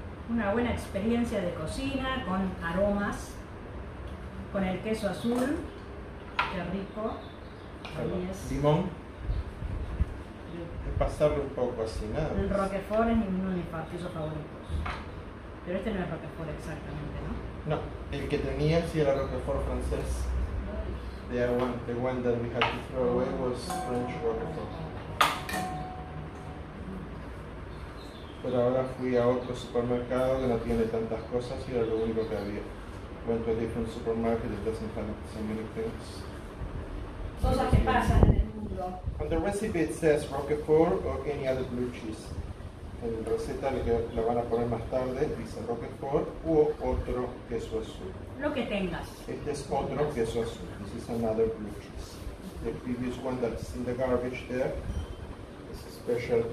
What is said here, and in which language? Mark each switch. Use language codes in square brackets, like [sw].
[es] Una buena experiencia de cocina con aromas, con el queso azul, qué rico. Limón. Pasarlo un poco así, nada. El Roquefort es uno de mis pisos favoritos. Pero este no es Roquefort exactamente, ¿no? No, el que tenía sí era Roquefort francés. [en] The one that we had to throw away was French Roquefort. [es] Pero ahora fui a otro supermercado que no tiene tantas cosas y era lo único que había. [en] Went to a different supermarket that doesn't have so many things. [es] Cosas que pasan. [en] On the recipe it says Roquefort or any other blue cheese. [es] En la receta que la van a poner más tarde dice Roquefort u otro queso azul. Lo que tengas. Este es otro queso azul. [en] This is another blue cheese. The previous one that's in the garbage there is a special